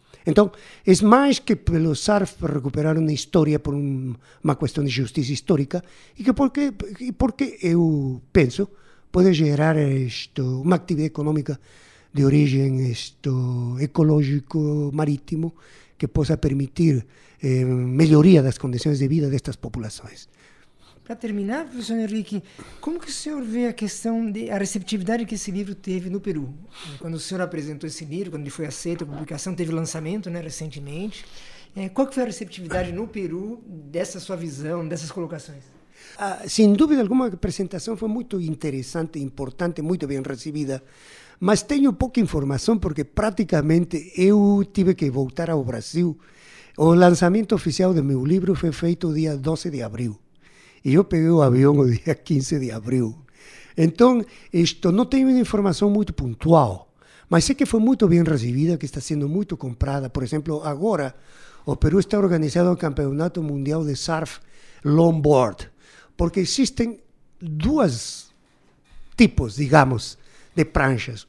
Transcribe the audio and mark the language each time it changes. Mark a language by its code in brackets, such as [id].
[es] Entonces, es más que los SARF recuperar una historia por una cuestión de justicia histórica y que porque yo pienso puede generar esto, una actividad económica de origen esto, ecológico, marítimo, que pueda permitir mejoría de las condiciones de vida de estas poblaciones. [pt] Para terminar, profesor Enrique, ¿cómo que o senhor vê a questão de a receptividade que esse livro teve no Peru? Quando o senhor apresentou esse livro, quando ele foi aceito, a publicação teve lançamento, né, recentemente. Qual que foi a receptividade no Peru dessa sua visão, dessas colocações? Sem dúvida alguma, a apresentação foi muito interessante, importante, muito bem recebida. Mas tenho pouca informação, porque praticamente eu tive que voltar ao Brasil. O lançamento oficial do meu livro foi feito dia 12 de abril. [es] Y yo pegué el avión el día 15 de abril. Entonces, esto no tengo una información muy puntual, mas sé que fue muy bien recibida, que está siendo muy comprada. Por ejemplo, ahora, o Perú está organizando el Campeonato Mundial de Surf Longboard, porque existen dos tipos, digamos, de pranchas.